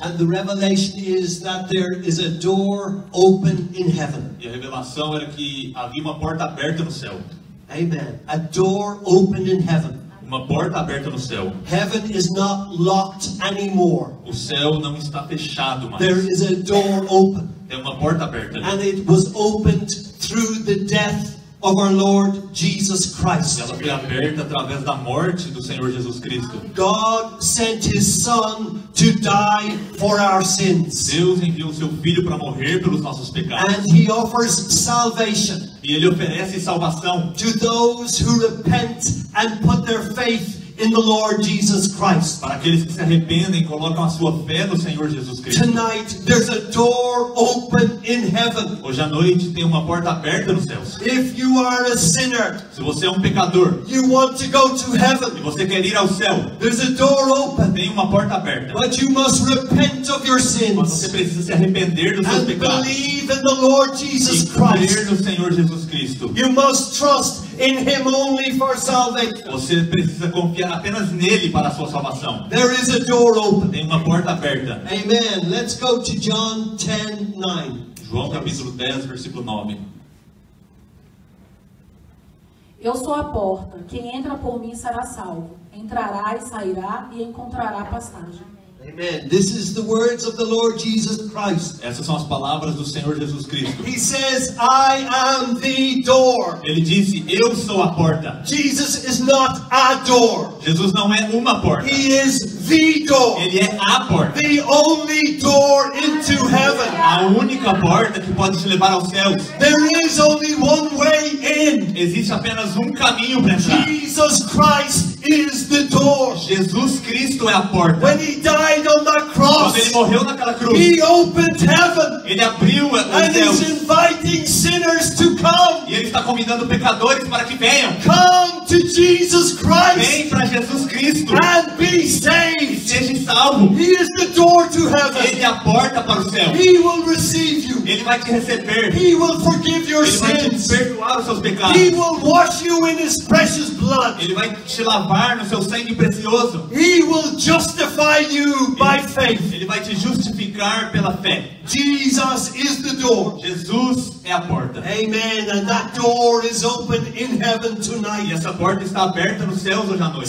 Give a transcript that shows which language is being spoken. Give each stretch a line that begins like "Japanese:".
English: And the revelation is that there is a door open in heaven.
Portuguese: E a revelação era que havia uma porta aberta no céu.
English: Amen. A door open in heaven.
Portuguese: Uma porta aberta no céu.
English: Heaven is not locked anymore.
Portuguese: O céu não está fechado mais.
English: There is a door open.
Portuguese: É uma porta aberta.
English: And it was opened through the death of our Lord Jesus Christ.
Portuguese: E ela foi aberta através da morte do Senhor Jesus Cristo.
English: God sent His Son to die for our sins.
Portuguese: Deus enviou Seu Filho para morrer pelos nossos pecados.
English: And He offers salvation.
Portuguese: E Ele oferece salvação.
English: To those who repent and put their faith in the Lord Jesus Christ.
Portuguese: Para aqueles que se arrependem e colocam a sua fé no Senhor Jesus Cristo.
English: Tonight there's a door open in heaven.
Portuguese: Hoje à noite tem uma porta aberta nos céus.
English: If you are a sinner,
Portuguese: se você é um pecador,
English: you want to go to heaven.
Portuguese: E você quer ir ao céu.
English: There's a door open.
Portuguese: Tem uma porta aberta.
English: But you must repent of your sins.
Portuguese: Mas você precisa se arrepender dos seus pecados.
English: And believe in the Lord Jesus Christ.
Portuguese: E crer no Senhor Jesus Cristo.
English: You must trust in Him only for salvation.
Portuguese: Você precisa confiar apenas nele para a sua salvação.
English: There is a door open.
Portuguese: Tem uma porta aberta.
English: Amen. Let's go to John 10:9.
Portuguese: João capítulo 10, versículo 9. Eu sou a porta. Quem entra por mim será salvo. Entrará e sairá e encontrará pastagem. Amen.
English: This is the words of the Lord Jesus Christ.
Portuguese: Essas são as palavras do Senhor Jesus Cristo.
English: He says, I am the door.
Portuguese: Ele disse, eu sou a porta.
English: Jesus is not a door.
Portuguese: Jesus não é uma porta.
English: He is the door.
Portuguese: Ele é a porta.
English: The only door into heaven.
Portuguese: A única porta que pode te levar aos céus.
English: There is only one way in.
Portuguese: Existe apenas caminho para entrar.
English: Jesus Christ is the door.
Portuguese: Jesus Cristo é a porta.
English: When He died on that cross,
Portuguese: quando Ele morreu naquela cruz,
English: He opened heaven.
Portuguese: Ele abriu o céu.
English: And is inviting sinners to come.
Portuguese: E Ele está convidando pecadores para que venham.
English: Come to Jesus Christ.
Portuguese: Vem para Jesus Cristo.
English: And be saved.
Portuguese: E seja salvo.
English: He is the door to heaven.
Portuguese: Ele é a porta para o céu.
English: He will receive you.
Portuguese: Ele vai te receber.
English: He will forgive your
Portuguese: Ele
English: sins.
Portuguese: Ele vai te perdoar os seus pecados.
English: He will wash you in His precious blood.
Portuguese: Ele vai te lavar no seu sangue precioso.
English: He will justify you by faith.
Portuguese: Ele vai te justificar pela fé.
English: Jesus is the door.
Portuguese: Jesus é a porta. Amen.
English: And that door is open in heaven tonight.
Portuguese: E essa porta está aberta nos céus hoje à noite.